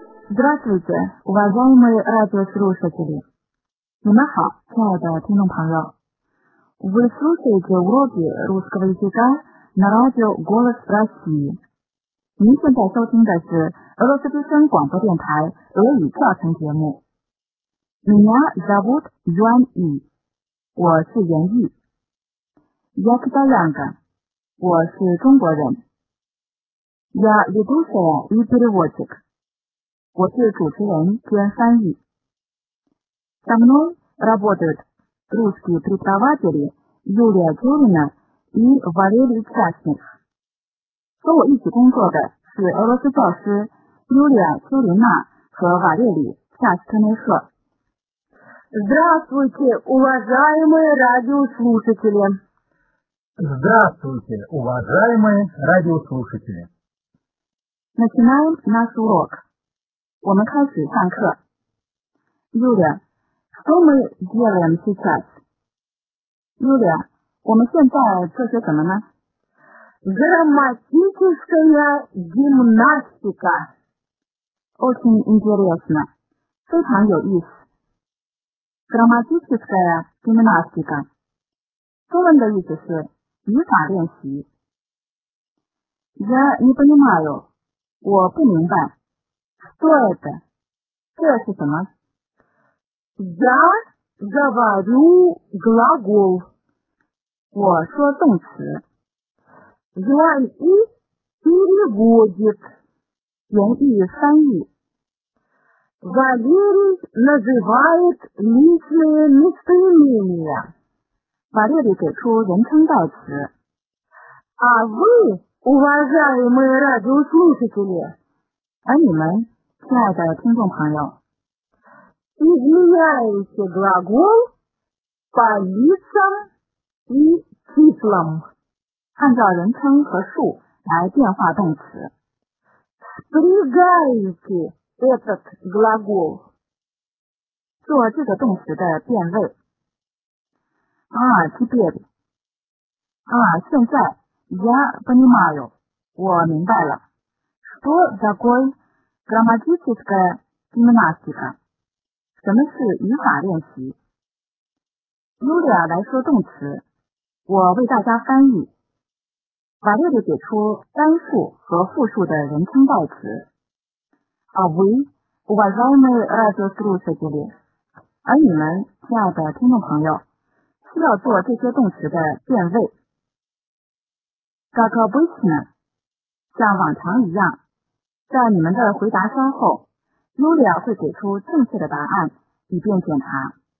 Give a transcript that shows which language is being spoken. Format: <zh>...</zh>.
<ru>Здравствуйте, уважаемые радиослушатели.</ru> <zh>你们好，亲爱的听众朋友。</zh> <ru>Вы слушаете уроки русского языка на радио «Голос России».</ru> <zh>您现在收听的是俄罗斯之声广播电台俄语教程节目。</zh> <ru>Меня зовут Юан И.</ru> <zh>我是袁毅。</zh> <ru>Я китаянка.</ru> <zh>我是中国人。</zh> <ru>Я ведущая и переводчик.</ru> <zh>我是主持人兼翻译。</zh> <ru>Со мной работают русские преподаватели Юлия Дюмина и Валерий Часник.</ru> <zh>和我一起工作的是俄罗斯教师 Юлия Дюмина 和瓦列里·恰斯科内赫。</zh> <ru>Здравствуйте, уважаемые радиослушатели! Здравствуйте, уважаемые радиослушатели! Начинаем наш урок.</ru> <zh>我们开始上课。</zh> <ru>Юля, что мы делаем сейчас?</ru> <zh>Юля, 我们现在做些什么呢?</zh> <ru>Грамматическая гимнастика. Очень интересно.</ru> <zh>非常有意思。</zh> <ru>Грамматическая гимнастика.</ru> <zh>中文的意思是语法练习。</zh> <ru>Я не понимаю.</ru> <zh>我不明白。</zh> <ru>Что это?</ru> <zh>这是什么?</zh> <ru>Я говорю глагол.</ru> <zh>我说动词。</zh> <ru>Юан И переводит.</ru> <zh>袁毅翻译。</zh> <ru>Валерий называет личные местоимения.</ru> <zh>瓦列里给出人称代词。</zh> <ru>А вы, уважаемые радиослушатели?</ru> <zh>而你们?亲爱的听众朋友</zh> <ru>изменяете глагол по лицам и числам</ru> <zh>按照人称和数来变化动词</zh> <ru>спрягаете этот глагол</ru> <zh>做这个动词的变位啊</zh> <ru>теперь</ru> <zh>啊现在</zh> <ru>я понимаю</ru> <zh>我明白了</zh> <ru>что такое Грамматическая гимнастика.</ru> <zh>什么是语法练习?Юлия 来说动词。我为大家翻译。瓦列里给出单数和复数的人称代词。</zh> <ru>А вы, уважаемые радиослушатели.</ru> <zh>而你们亲爱的听众朋友需要做这些动词的变位。</zh> <ru>Как обычно,</ru> <zh>像往常一样。在你们的回答稍后 Юлия 会给出正确的答案以便检查</zh>